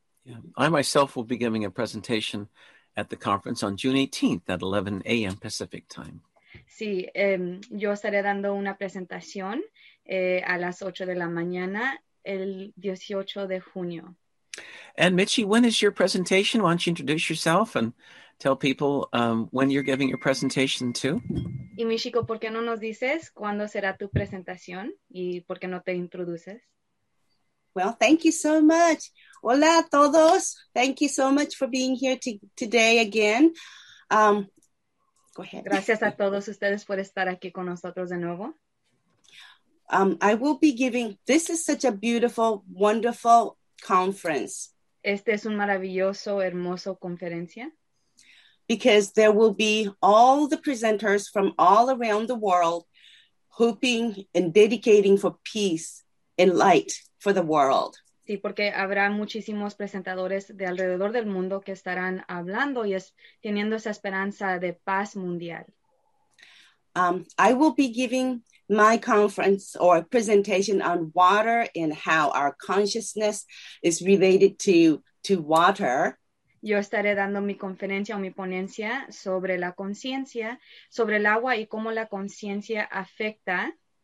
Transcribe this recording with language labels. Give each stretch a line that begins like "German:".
English: Yeah. I myself will be giving a presentation at the conference on June 18th at 11 a.m. Pacific time.
Spanish: Sí, yo estaré dando una presentación a las 8 de la mañana el 18 de junio.
English: And Michi, when is your presentation? Why don't you introduce yourself and tell people when you're giving your presentation too?
Spanish: Y Michiko, ¿por qué no nos dices cuándo será tu presentación y por qué no te introduces?
English: Well, thank you so much.
Spanish: Hola a todos.
English: Thank you so much for being here today again. Go ahead.
Spanish: Gracias a todos ustedes por estar aquí con nosotros de nuevo.
English: I will be giving, this is such a beautiful, wonderful conference.
Spanish: Este es un maravilloso, hermoso conferencia.
English: Because there will be all the presenters from all around the world hoping and dedicating for peace and light for the world.
Spanish: Sí, porque habrá muchísimos presentadores de alrededor del mundo que estarán hablando y teniendo esa esperanza de paz mundial.
English: I will be giving my conference or presentation on water and how our consciousness is related to water.
Spanish: Yo estaré dando mi conferencia o mi ponencia sobre la conciencia, sobre el agua y cómo la conciencia afecta.